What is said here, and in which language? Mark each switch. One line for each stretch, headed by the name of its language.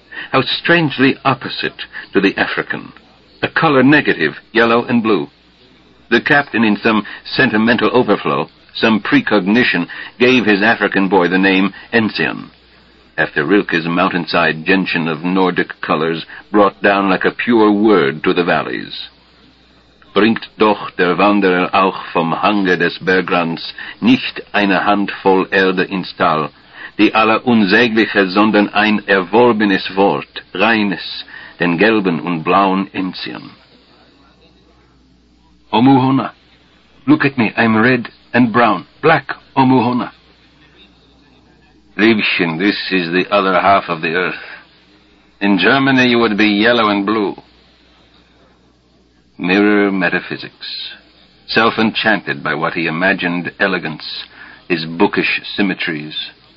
English: How strangely opposite to the African, a color negative, yellow and blue. The captain, in some sentimental overflow, some precognition, gave his African boy the name Enzian, after Rilke's mountainside gentian of Nordic colors brought down like a pure word to the valleys.
German: Bringt doch der Wanderer auch vom Hange des Bergrands nicht eine Handvoll Erde ins Tal, die alle unsägliche, sondern ein erworbenes Wort, reines, den gelben und blauen Enzian.
English: Omuhona, look at me, I'm red and brown, black, Omuhona. Liebchen, this is the other half of the earth. In Germany, you would be yellow and blue. Mirror metaphysics. Self-enchanted by what he imagined elegance, his bookish symmetries.